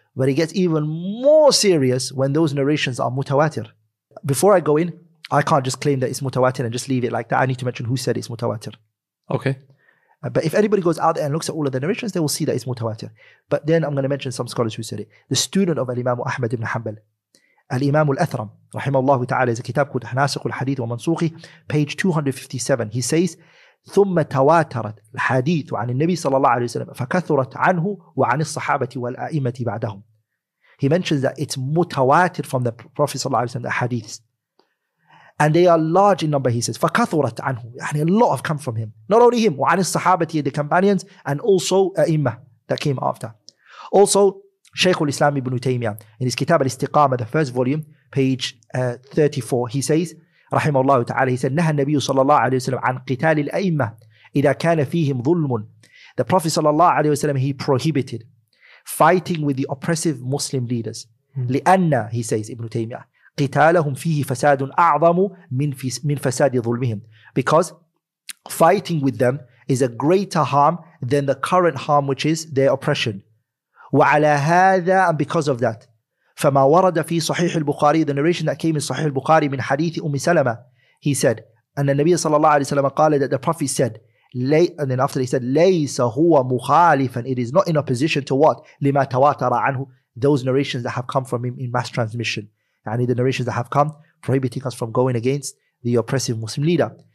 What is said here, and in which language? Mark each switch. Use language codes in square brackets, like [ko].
[en] But it gets even more serious when those narrations are mutawatir. Before I go in, I can't just claim that it's mutawatir and just leave it like that. I need to mention who said it's mutawatir. Okay. But if anybody goes out there and looks at all of the narrations, they will see that it's mutawatir. But then I'm going to mention some scholars who said it. The student of Al-Imam Ahmad ibn Hanbal, [ar] الإمام الأثرم رحمه الله تعالى إذا كتاب كود حناسق الحديث ومنسوخه [en] page 257 he says [ar] ثم تواترت الحديث عن النبي صلى الله عليه وسلم فكثرت عنه وعن الصحابة والأئمة بعدهم. [en] He mentions that it's متواتر from the Prophet [ar] صلى الله عليه وسلم, [en] the hadiths, and they are large in number, he says. [ar] فكثرت عنه, [en] يعني a lot have come from him, not only him, [ar] وعن الصحابة, [en] the companions, and also أئمة that came after. Also Shaykh al-Islam ibn Taymiyyah, in his kitab al-Istiqamah, the first volume, page 34, he says, rahimahullahu ta'ala, he said, [ar] نهى النبي صلى الله عليه وسلم عن قتال الأئمة إذا كان فيهم ظلم. [en] The Prophet [ar] صلى الله عليه وسلم, [en] he prohibited fighting with the oppressive Muslim leaders. [ar] لأن, [en] he says, ibn Taymiyyah, [ar] قتالهم فيه فساد أعظم من فساد ظلمهم. [en] Because fighting with them is a greater harm than the current harm, which is their oppression. [ar] وعلى هذا, [en] and because of that, [ar] فما ورد في صحيح البخاري, [en] the narration that came in [ar] صحيح البخاري من حديث أم سلمة, [en] he said [ar] أن النبي صلى الله عليه وسلم قال, [en] that the Prophet said, and then after he said, [ar] ليس هو مخالفا, [en] it is not in opposition to what, [ar] لما تواتر عنه, [en] those narrations that have come from him in mass transmission, يعني the narrations that have come prohibiting us from going against the oppressive Muslim leader.